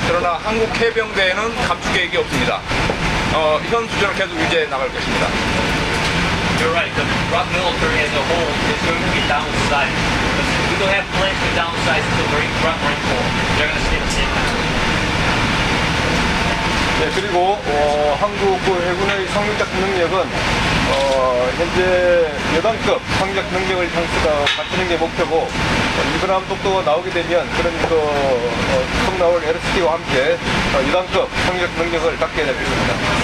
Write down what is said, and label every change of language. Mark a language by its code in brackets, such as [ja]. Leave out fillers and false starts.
[ko] 그러나 한국 해병대에는 감축 계획이 없습니다. 현 수준을 계속 유지해 나갈 것입니다. [en] You're right. The ROC military as a whole is going to be downsized. We don't have plans to downsize the Marine Corps. They're going to stay the same. [ko] 네, 그리고 한국 해군의 상륙작 능력은 현재 여단급 상륙작 능력을 향해서 갖추는 게 목표고, 이브라함 독도가 나오게 되면 그런 그 처음 나올 LST와 함께 여단급 상륙작 능력을 갖게 되겠습니다.